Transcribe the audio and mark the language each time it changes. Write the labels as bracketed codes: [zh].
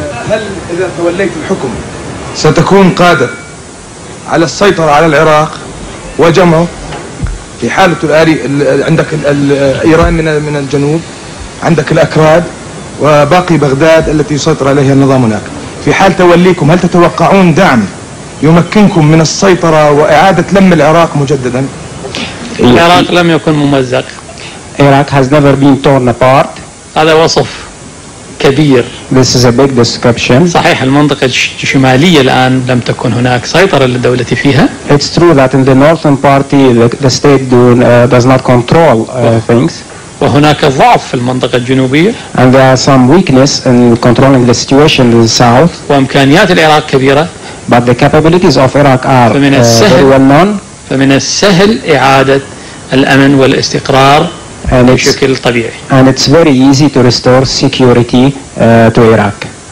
[ar] هل إذا توليت الحكم ستكون قادر على السيطرة على العراق وجمعه في حالة الآلي عندك إيران من الجنوب، عندك الأكراد وباقي بغداد التي يسيطر عليها النظام هناك، في حال توليكم هل تتوقعون دعم يمكنكم من السيطرة وإعادة لم العراق مجددا؟ العراق لم يكن ممزق. [en] Iraq has never been torn apart. [ar] هذا وصف كبير. [en] This is a big description. [ar] صحيح المنطقة الشمالية الآن لم تكن هناك سيطرة للدولة فيها. [en] It's true that in the northern part the state does not control things. [ar] وهناك ضعف في المنطقة الجنوبية. [en] And there are some weakness in controlling the situation in the south. [ar] وإمكانيات العراق كبيرة. [en] But the capabilities of Iraq are very well known. [ar] فمن السهل إعادة الأمن والاستقرار. [en] And it's very easy to restore security to Iraq.